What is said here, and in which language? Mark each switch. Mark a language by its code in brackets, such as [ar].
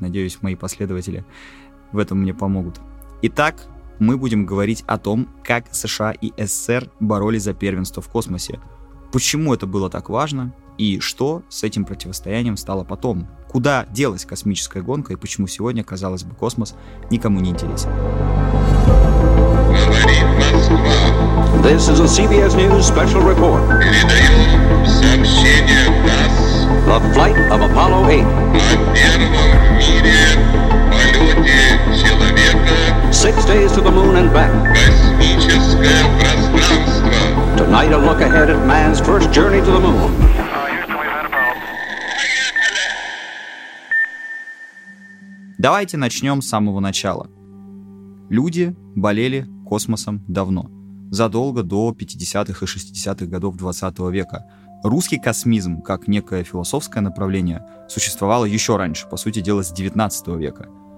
[ru] Надеюсь, мои последователи в этом мне помогут. Итак, мы будем говорить о том, как США и СССР боролись за первенство в космосе, почему это было так важно, и что с этим противостоянием стало потом? Куда делась космическая гонка и почему сегодня, казалось бы, космос никому не интересен? [en] This is a CBS News special report. [ru] Передаем сообщение ГАЗ. [en] The flight of Apollo 8. [ru] На первом в мире полете человека. [en] Six days to the moon and back. [ru] Космическое пространство. [en] Tonight a look ahead at man's first journey to the moon. [ru] Давайте начнем с самого начала. Люди болели космосом давно, задолго до 50-х и 60-х годов 20 века. Русский космизм, как некое философское направление, существовало еще раньше, по сути дела, с 19 века.